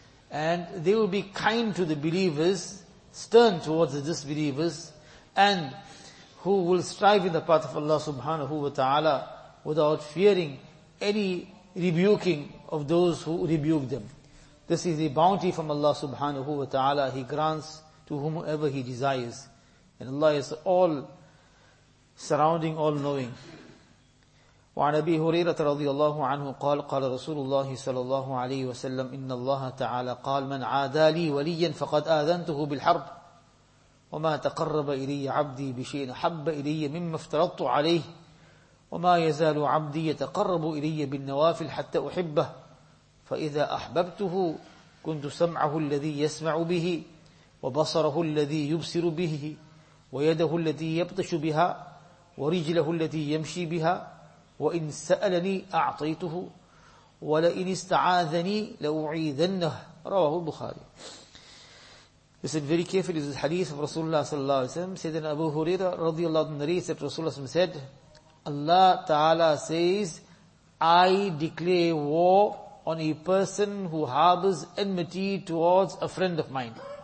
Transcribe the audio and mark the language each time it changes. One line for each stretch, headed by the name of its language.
English: And they will be kind to the believers, stern towards the disbelievers, and who will strive in the path of Allah subhanahu wa ta'ala without fearing any rebuking of those who rebuke them. This is a bounty from Allah subhanahu wa ta'ala. He grants to whomever He desires. And Allah is all surrounding, all knowing.
Arabic: وعن أبي هريرة رضي الله عنه قال قال رسول الله صلى الله عليه وسلم إن الله تعالى قال من عادى لي وليا فقد آذنته بالحرب وما تقرب إلي عبدي بشيء حب إلي مما افترضت عليه وما يزال عبدي يتقرب إلي بالنوافل حتى أحبه فإذا أحببته كنت سمعه الذي يسمع به وبصره الذي يبصر به ويده التي يبطش بها ورجله التي يمشي بها وإن سألني أعطيته ولئن استعاذني لأعيذنه رواه البخاري.
English: Listen very carefully to this hadith of Rasulullah sallallahu alaihi wasallam. Said that Abu Huraira radiallahu anhu narrates that Rasulullah sallallahu alaihi wasallam said, Allah Ta'ala says, I declare war on a person who harbors enmity towards a friend of mine.